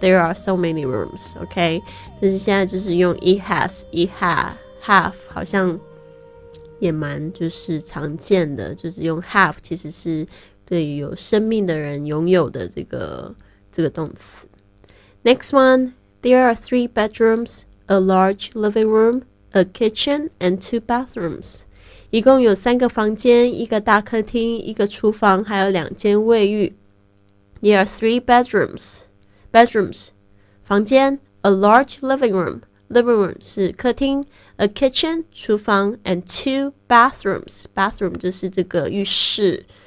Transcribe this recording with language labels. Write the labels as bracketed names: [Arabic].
[English] There are so many rooms, okay? [Chinese] 但是现在就是用 it has, have, 好像也蛮就是常见的，就是用 have 其实是对于有生命的人拥有的这个动词。 [English] Next one, there are 3 bedrooms, a large living room, a kitchen, and 2 bathrooms. [Chinese] 一共有三个房间，一个大客厅，一个厨房，还有两间卫浴。 [English] There are 3 bedrooms, 房间， a large living room [Chinese] 是客厅， [English] a kitchen 厨房， and 2 bathrooms， bathroom [Chinese] 就是这个浴室。